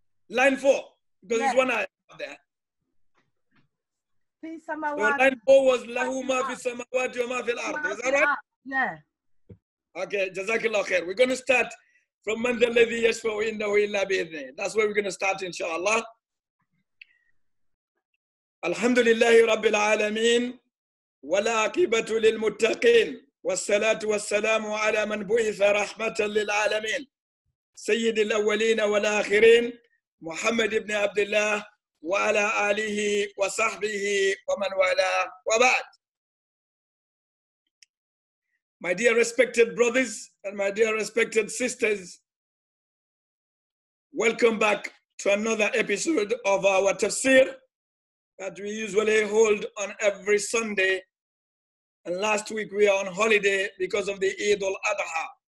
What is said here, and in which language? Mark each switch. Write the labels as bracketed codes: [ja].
[en] Line 4, because yes. It's one ayah out there. [ar] Fi samawati. [en] So line 4 was [ar] lahu ma fi samawati wa ma fi al-ard. [en] Is that right? Yeah. Okay, jazakallah khair. We're going to start from [ar] man alladhi yashfa'u indahu illa bi'idhni. [en] That's where we're going to start, inshallah. [ar] الحمد لله رب العالمين والعاقبة للمتقين والصلاة والسلام على من بعث رحمة للعالمين سيد الأولين والآخرين محمد بن عبد الله وعلى آله وصحبه ومن والاه وبعد. [en] My dear respected brothers and my dear respected sisters, welcome back to another episode of our tafsir that we usually hold on every Sunday. And last week we are on holiday because of the Eid al-Adha.